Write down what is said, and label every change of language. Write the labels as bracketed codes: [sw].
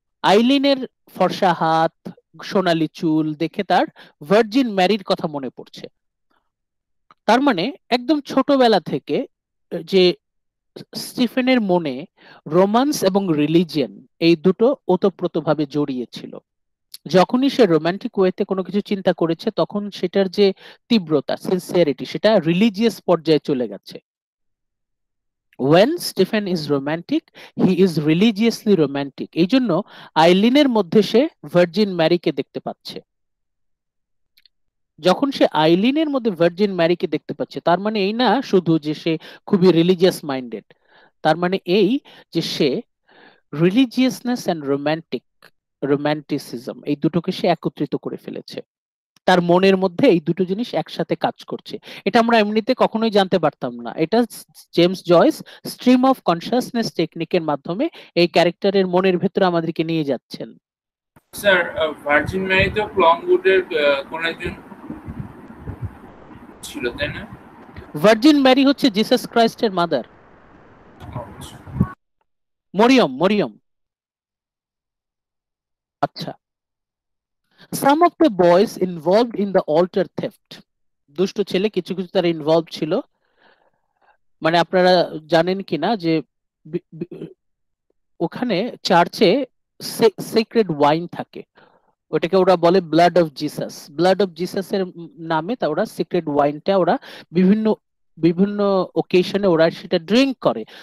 [bn] আইলিনের ফর্সা হাত, সোনালি চুল দেখে তার ভার্জিন ম্যারির কথা মনে পড়ছে। তার মানে একদম ছোটবেলা থেকে যে স্টিফেনের মনে রোমান্স এবং রিলিজিয়ন এই দুটো ওতপ্রোতভাবে জড়িয়েছিল। যখনই সে রোম্যান্টিক ওয়েতে কোনো কিছু চিন্তা করেছে, তখন সেটার যে তীব্রতা, সিনসিয়ারিটি, সেটা রিলিজিয়াস পর্যায়ে চলে গেছে। [en] When Stephen is romantic, he is religiously romantic. [bn] এই জন্য আইলিনের মধ্যে সে ভার্জিন ম্যারিকে দেখতে পাচ্ছে। যখন সে আইলিনের মধ্যে ভার্জিন ম্যারিকে দেখতে পাচ্ছে, তার মানে এই না শুধু যে সে খুবই রিলিজিয়াস মাইন্ডেড, তার মানে এই যে সে রিলিজিয়াসনেস অ্যান্ড রোম্যান্টিক রোম্যান্টিসিজম এই দুটোকে সে একত্রিত করে ফেলেছে। তার মনের মধ্যে এই দুটো জিনিস একসাথে কাজ করছে। এটা আমরা এমনিতে কখনোই জানতে পারতাম না। এটা James Joyce stream of consciousness টেকনিকের মাধ্যমে এই ক্যারেক্টারের মনের ভেতরে আমাদেরকে নিয়ে যাচ্ছেন। স্যার, ভার্জিন ম্যারি তো প্লমউডের কোন একজন ছিল, তাই না? ভার্জিন ম্যারি হচ্ছে জিসাস ক্রাইস্টের মাদার, মরিয়ম। মরিয়ম, আচ্ছা। [en] Some of the boys involved in the altar theft. [bn] দুষ্ট ছেলে কিছু কিছু তারা ইনভলভ ছিল। মানে আপনারা জানেন কি না যে ওখানে চার্চে সেক্রেড ওয়াইন থাকে, ওটাকে ওরা বলে blood of Jesus. Blood of Jesus এর নামে তা ওরা সিক্রেট ওয়াইনটা ওরা বিভিন্ন বিভিন্ন ওকেশনে ওরা সেটা ড্রিঙ্ক করে।